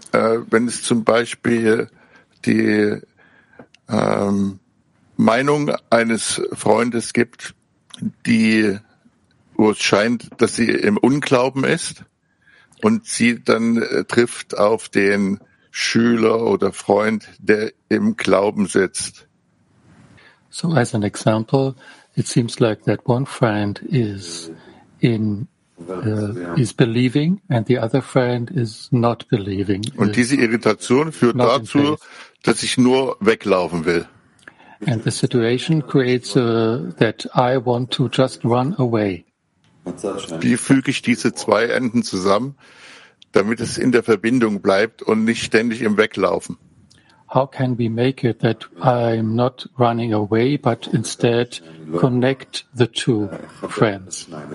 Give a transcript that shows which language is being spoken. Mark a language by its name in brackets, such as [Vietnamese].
[German] Wenn es zum Beispiel die Meinung eines Freundes gibt, die, wo es scheint, dass sie im Unglauben ist, und sie dann trifft auf den Schüler oder Freund, der im Glauben sitzt. [English] So as an example, it seems like that one friend is believing and the other friend is not believing. [German] Und diese Irritation führt dazu, dass ich nur weglaufen will. [English] And the situation creates that I want to just run away. [German] Wie füge ich diese zwei Enden zusammen, damit es in der Verbindung bleibt und nicht ständig im Weglaufen? [English] How can we make it that I'm not running away, but instead connect the two friends?